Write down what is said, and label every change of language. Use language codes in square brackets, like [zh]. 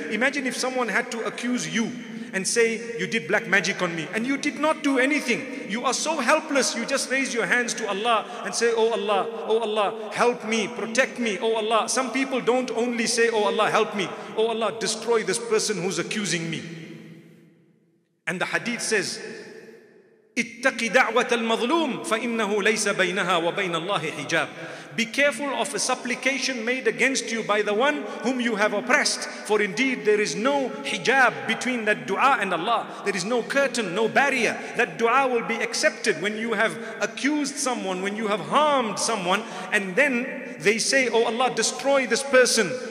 [en] Imagine if someone had to accuse you and say, you did black magic on me, and you did not do anything. You are so helpless, you just raise your hands to Allah and say, oh Allah, oh Allah, help me, protect me, oh Allah. Some people don't only say, oh Allah, help me, oh Allah, destroy this person who's accusing me. And the hadith says, [ar] اتَّقِ دَعْوَةَ الْمَظْلُومِ فَإِنَّهُ لَيْسَ بَيْنَهَا وَبَيْنَ اللَّهِ حِجَابٍ. [en] Be careful of a supplication made against you by the one whom you have oppressed. For indeed there is no hijab between that dua and Allah. There is no curtain, no barrier. That dua will be accepted when you have accused someone, when you have harmed someone, and then they say, oh Allah, destroy this person.